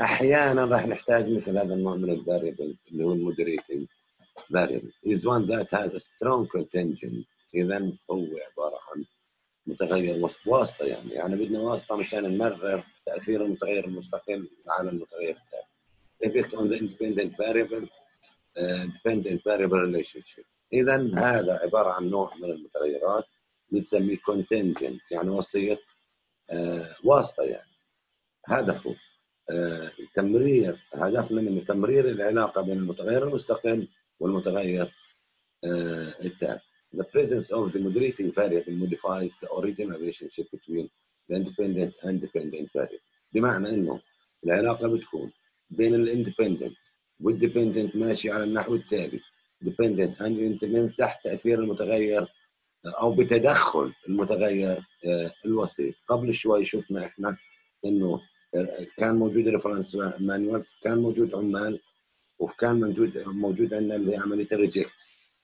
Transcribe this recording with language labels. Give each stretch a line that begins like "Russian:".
Arabic: أحياناً راح نحتاج مثل هذا النوع من الـ variable اللي هو الـ moderating variable.
English: is one that has a strong contingent.
Arabic: إذن هو عبارة عن متغير واسطة، يعني بدنا واسطة مشان نمرر تأثير المتغير المستقل على المتغير التالي.
English: effect on the independent variable dependent variable relationship.
Arabic: إذن هذا عبارة عن نوع من المتغيرات نسميه contingent، يعني وسيط واسطة يعني. هدفه تمرير، هدفنا من تمرير العلاقة بين المتغير المستقل والمتغير التام.
English: The presence of the moderating variable modifies the original relationship between the independent and dependent variable.
Arabic: بمعنى إنه العلاقة بتكون بين ال independent وال dependent ماشي على النحو التالي:
English: dependent and independent
Arabic: تحت تأثير المتغير أو بتدخل المتغير الوسيط. قبل شوي شفنا إحنا إنه كان موجود ريفرنس مانوال، كان موجود عمال، وكان موجود عندنا اللي عملية الريجكتس.